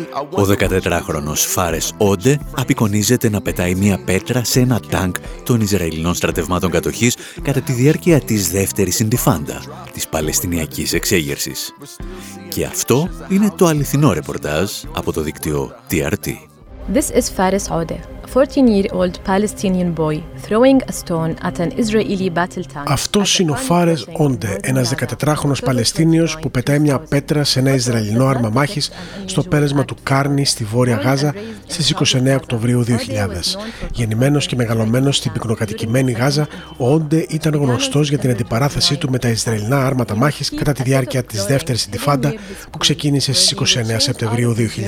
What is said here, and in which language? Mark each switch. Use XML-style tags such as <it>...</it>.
<el>Ο 14χρονος Φάρες Όντε απεικονίζεται να πετάει μια πέτρα σε ένα τάγκ των Ισραηλινών στρατευμάτων κατοχής κατά τη διάρκεια της δεύτερης Ιντιφάντα, της Παλαιστινιακής Εξέγερσης. Και αυτό είναι το αληθινό ρεπορτάζ από το δίκτυο TRT.</el> <en>This is Faris Ode, 14-year-old Palestinian boy throwing a stone at an Israeli battle tank.</en> <el>Αυτός είναι ο Faris Ode, ένας 14χρονος Παλαιστίνιος που πετάει μια πέτρα σε ένα Ισραηλινό άρμα μάχης στο πέρασμα του Κάρνη στη Βόρεια Γάζα στις 29 Οκτωβρίου 2000. Γεννημένος και μεγαλωμένος στην πυκνοκατοικημένη Γάζα, ο Ode ήταν γνωστός για την αντιπαράθεσή του με τα Ισραηλινά άρματα μάχης κατά τη διάρκεια της δεύτερης Ιντιφάντα που ξεκίνησε στις 29 Σεπτεμβρίου 2000.</el>